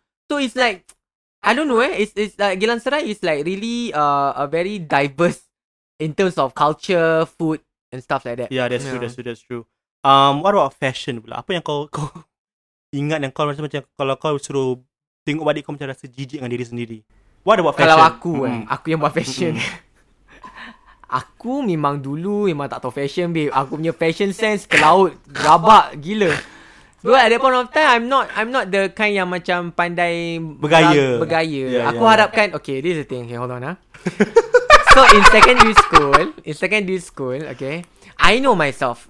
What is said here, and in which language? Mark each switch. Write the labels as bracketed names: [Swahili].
[English] So, it's like, I don't know it's like, Geylang Serai is like really a very diverse in terms of culture, food and stuff like that. Yeah, that's true. What about fashion pula? [Malay] Apa yang kau ingat yang kau macam kalau kau suruh tengok balik kau macam rasa jijik dengan diri sendiri. [English] What about fashion? [Malay] Kalau aku aku yang buat fashion. Aku memang dulu memang tak tahu fashion, babe. Aku punya fashion sense ke laut rabak gila. [English] So at that point of time, I'm not the kind [Malay] yang macam pandai bergaya. Aku harapkan, [English] okay, this is the thing. Okay, hold on. So in secondary school, okay, I know myself.